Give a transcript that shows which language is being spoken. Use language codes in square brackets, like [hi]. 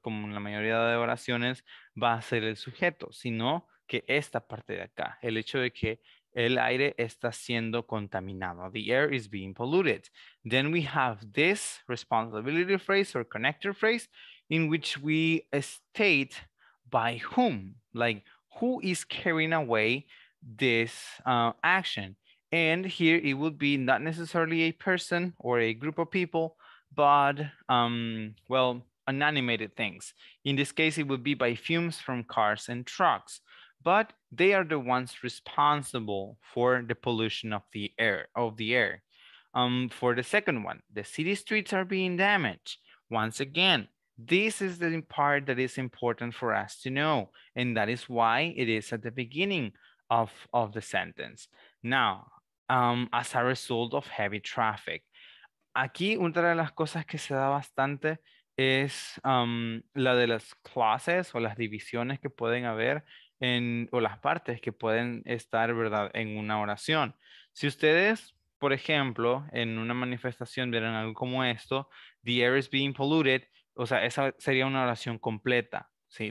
[es] Como en la mayoría de oraciones, va a ser el sujeto, sino que esta parte de acá, el hecho de que el aire está siendo contaminado. [en] The air is being polluted. Then we have this responsibility phrase or connector phrase in which we state by whom, like who is carrying away this action. And here it would be not necessarily a person or a group of people, but well, inanimated things. In this case, it would be by fumes from cars and trucks, but they are the ones responsible for the pollution of the air. For the second one, the city streets are being damaged. Once again, this is the part that is important for us to know. And that is why it is at the beginning of the sentence. Now, as a result of heavy traffic. [es] Aquí, una de las cosas que se da bastante es la de las clases o las divisiones que pueden haber en, o las partes que pueden estar, ¿verdad?, en una oración. Si ustedes, por ejemplo, en una manifestación vieran algo como esto, [en] the air is being polluted, [es] o sea, esa sería una oración completa, ¿sí?